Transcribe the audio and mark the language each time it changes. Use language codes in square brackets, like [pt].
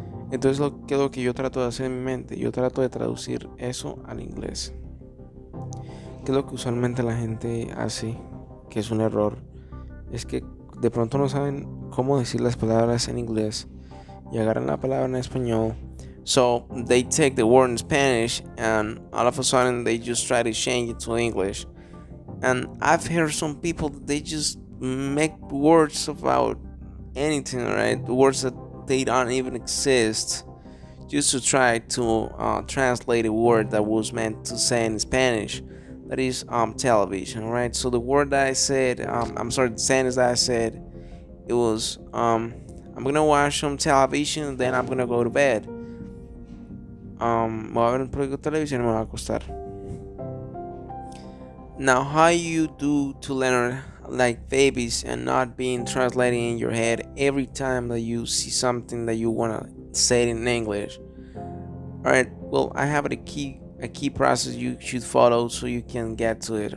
[es] Entonces lo que yo trato de hacer en mi mente, yo trato de traducir eso al inglés. Que es lo que usualmente la gente hace, que es un error, es que de pronto no saben cómo decir las palabras en inglés y agarran la palabra en español. [en] So they take the word in Spanish and all of a sudden they just try to change it to English. And I've heard some people, they just make words about anything, right? Words that they don't even exist, just to try to translate a word that was meant to say in Spanish, that is television, right? So the word that I said, the sentence that I said, it was, I'm gonna watch some television, then I'm gonna go to bed. [es] Voy a ver un poco de televisión y me voy a acostar. [en] Now, how you do to learn like babies and not being translating in your head every time that you see something that you wanna say in English? All right. Well, I have a key process you should follow so you can get to it.